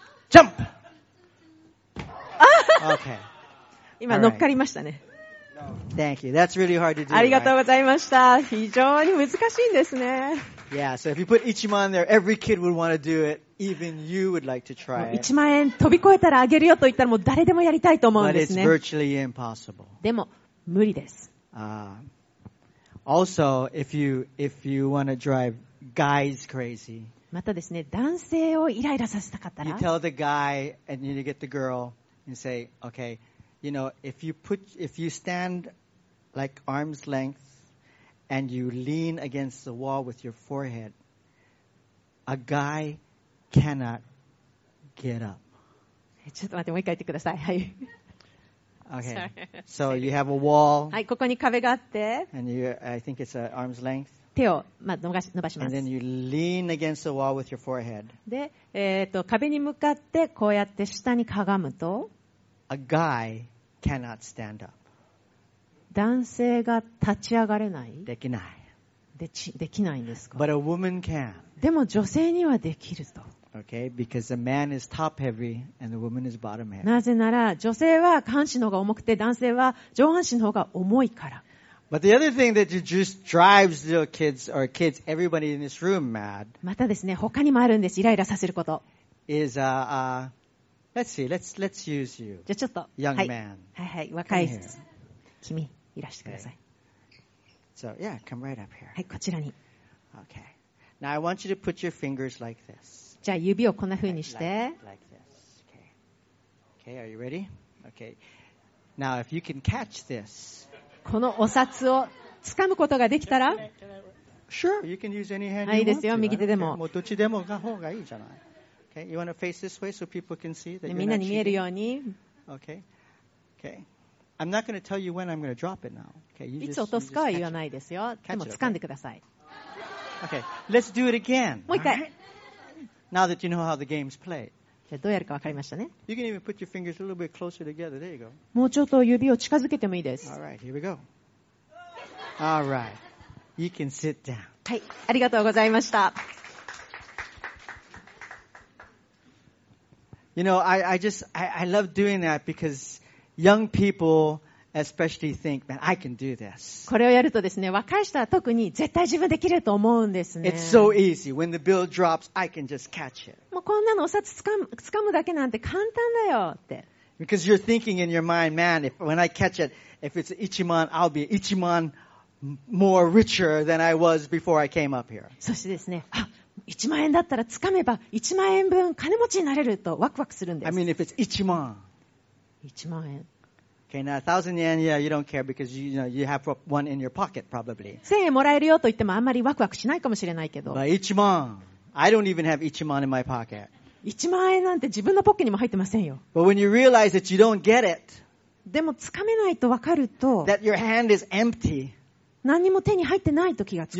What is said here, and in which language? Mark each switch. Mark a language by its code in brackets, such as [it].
[en] Jump! Okay. [ja] 今乗っかりましたね。 [en] Thank you. That's really hard to do. [ja] ありがとうございました。非常に難しいんですね。 [en] Yeah, so if you put 1万 there, every kid would want to do it. Even you would like to try it. [ja] 1万円飛び越えたらあげるよと言ったらもう誰でもやりたいと思うんですね。 [en] But it's virtually impossible. [ja] でも、無理です。 [en] Also, if you want to drive guys crazy. [ja] またですね、男性をイライラさせたかったら。 [en] You tell the guy and you get the girl and say, okay,You know, if you stand like arm's length and you lean against the wall with your forehead, a guy cannot get up. [ja] ちょっと待って、もう一回言ってください。はい。 [en] Okay. So you have a wall. [ja] はい、ここに壁があって。 [en] And you, I think it's an arm's length. [ja] 手を、まあ、伸ばします。 [en] And then you lean against the wall with your forehead. [ja] で、壁に向かってこうやって下にかがむと、 [en] A guy cannot stand up. [ja] 男性が立ち上がれない？できない。できないんですか [en] ？But a woman can. [ja] でも女性にはできると。 [en] Okay, because the man is top heavy and the woman is bottom heavy. [ja] なぜなら女性は下半身の方が重くて男性は上半身の方が重いから。 [en] But the other thing that just drives little kids or kids, everybody in this room mad. [ja] またですね、他にもあるんです。イライラさせること。 [en] Is Let's see. Let's use you. [ja] じゃあちょっと [en] young man. [ja] はい、若い君いらしてください。 [en] Okay. So yeah, come right up here. [ja] はい、こちらに。 [en] Okay. Now I want you to put your fingers like this. [ja] じゃあ指をこんな風にして。 [en] Like this. Okay. Okay. Are you ready? Okay. Now if you can catch this. [ja] このお札を掴むことができたら。 [en] Sure. You can use any hand. [ja] いいですよ、右手でも。もうどっちでもが方がいいじゃない。 [en] Okay, you want to face this way so people can see that you're not cheating. Okay. Okay. I'm not going to tell you when I'm going to drop it now. Okay. You just, [ja] いつ落とすかは言わないですよ。でも掴んでください。 [en] Okay. Let's do it again. [ja] もう一回。 [en] Now that you know how the game's played. [ja] じゃあどうやるか分かりましたね。 [en] You can even put your fingers a little bit closer together. There you go. [ja] もうちょっと指を近づけてもいいです。 [en] All right. Here we go. All right. You can sit down. [ja] はい。ありがとうございました。 [en] You know, I love doing that because young people, especially think, man, I can do this. [ja] これをやるとですね、若い人は特に絶対自分できると思うんですね。 [en] It's so easy. When the bill drops, I can just catch it. [ja] もうこんなのお札掴むだけなんて簡単だよって。 [en] Because you're thinking in your mind, man, if when I catch it, if it's 1 mon, I'll be 1 mon more richer than I was before I came up here. [ja] そしてですね、あ、1万円だったら掴めば1万円分金持ちになれるとワクワクするんです。 [en] I mean, if it's 1 mon. [ja] 1万円。 [en] Okay, now 1,000 yen, yeah, you don't care because you, you know, you have one in your pocket probably. [ja] 1,000 円もらえるよと言ってもあんまりワクワクしないかもしれないけど。 [en] But 1 mon. I don't even have 1 mon in my pocket. [ja] 1万円なんて自分のポッケにも入ってませんよ。 [en] But when you realize that you don't get it, [ja] でも掴めないと分かると、 [en] that your hand is empty, [ja] 何も手に入ってないと気がつくと、